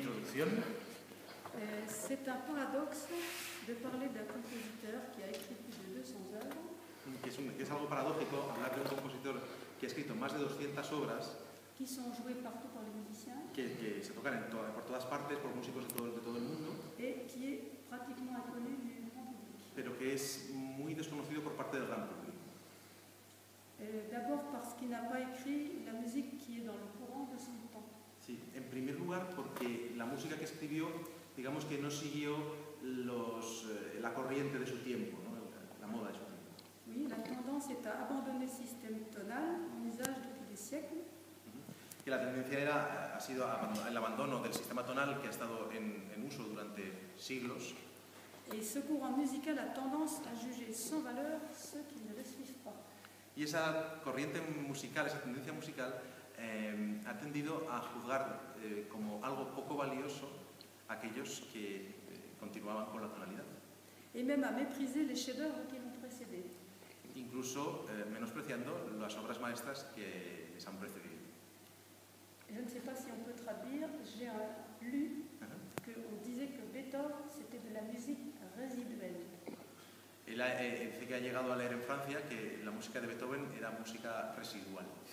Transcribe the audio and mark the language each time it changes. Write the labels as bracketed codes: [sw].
[fr] C'est un paradoxe de parler d'un compositeur qui a écrit plus de 200 œuvres. [es] Es algo paradójico hablar de un compositor que ha escrito más de 200 obras. [fr] Qui sont jouées partout par les musiciens. [es] Que se tocan por todas partes por músicos de todo el mundo. [fr] Et qui est pratiquement inconnu du grand public. [es] Pero que es muy desconocido por parte del gran público. [fr] D'abord parce qu'il n'a pas écrit la musique qui est dans le courant de son temps. [es] Sí, en primer lugar porque la música que escribió, digamos que no siguió la corriente de su tiempo, ¿no? La moda de su tiempo. [fr] Oui, la tendance est à abandonner le système tonal en usage depuis des siècles. [es] Y la tendencia ha sido el abandono del sistema tonal que ha estado en uso durante siglos. [fr] Et ce courant musical a tendance à juger sans valeur ceux qui ne le suivent pas. [es] Y esa corriente musical, esa tendencia musical, ha tendido a juzgar como algo poco valioso aquellos que continuaban con la tonalidad. [fr] Et même à mépriser les chefs-d'œuvre qui l'ont précédé. [es] Incluso menospreciando las obras maestras que les han precedido. [fr] Je ne sais pas si on peut traduire, j'ai lu que on disait que Beethoven c'était de la musique résiduelle. [es] Él dice que ha llegado a leer en Francia que la música de Beethoven era música residual.